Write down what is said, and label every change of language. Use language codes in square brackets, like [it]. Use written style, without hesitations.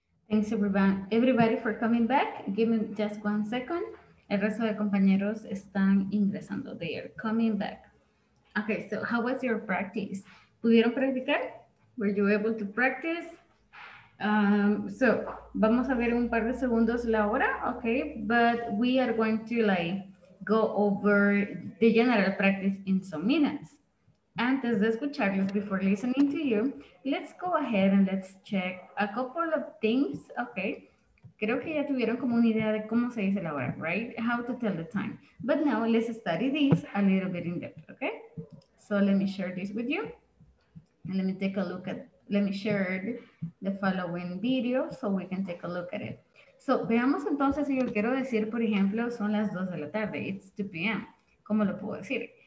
[en] Thanks everybody for coming back. Give me just one second. [es] El resto de compañeros están ingresando. [en] They are coming back. Okay, so how was your practice? [es] ¿Pudieron practicar? [en] Were you able to practice? [es] So, vamos a ver en un par de segundos la hora, okay? [en] But we are going to like go over the general practice in some minutes. [es] Antes de escucharlos, [en] before listening to you, let's go ahead and let's check a couple of things, okay? [es] Creo que ya tuvieron como una idea de cómo se dice la hora, [en] right? How to tell the time. But now let's study this a little bit in depth, okay? So let me share this with you. And let me take a look at, let me share the following video so we can take a look at it. [es] So veamos entonces si yo quiero decir, por ejemplo, son las 2 de la tarde, [en] it's 2 p.m. [es] ¿Cómo lo puedo decir?